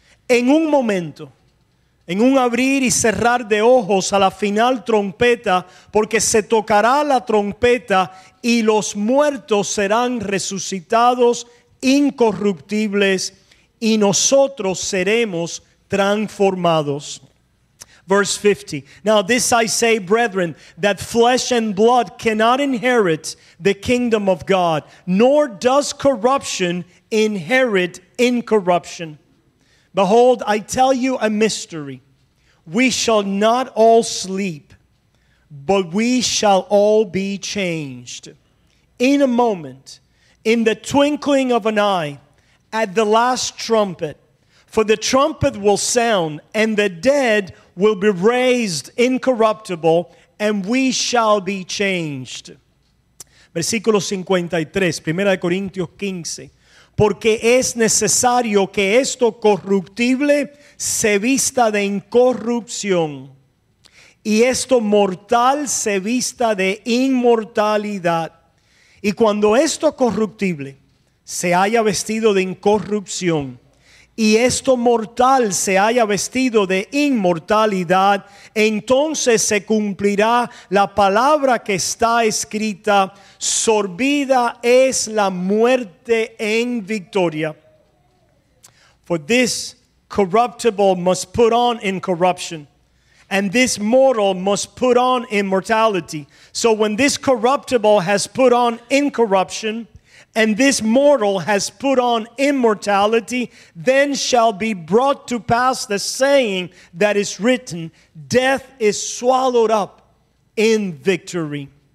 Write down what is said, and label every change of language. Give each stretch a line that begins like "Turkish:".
Spanish: En un momento, en un abrir y cerrar de ojos a la final trompeta, porque se tocará la trompeta y los muertos serán resucitados incorruptibles y nosotros seremos transformados.
English: Verse 50. Now this I say, brethren, that flesh and blood cannot inherit the kingdom of God, nor does corruption inherit incorruption. Behold, I tell you a mystery. We shall not all sleep, but we shall all be changed. In a moment, in the twinkling of an eye, at the last trumpet, for the trumpet will sound, and the dead will be raised incorruptible, and we shall be changed.
Spanish: Versículo 53, 1 Corintios 15. Porque es necesario que esto corruptible se vista de incorrupción, y esto mortal se vista de inmortalidad. Y cuando esto corruptible se haya vestido de incorrupción, y esto mortal se haya vestido de inmortalidad, entonces se cumplirá la palabra que está escrita: sorbida es la muerte en victoria.
English: For this corruptible must put on incorruption, and this mortal must put on immortality. So when this corruptible has put on incorruption, and this mortal has put on immortality, then shall be brought to pass the saying that is written, death is swallowed up in victory.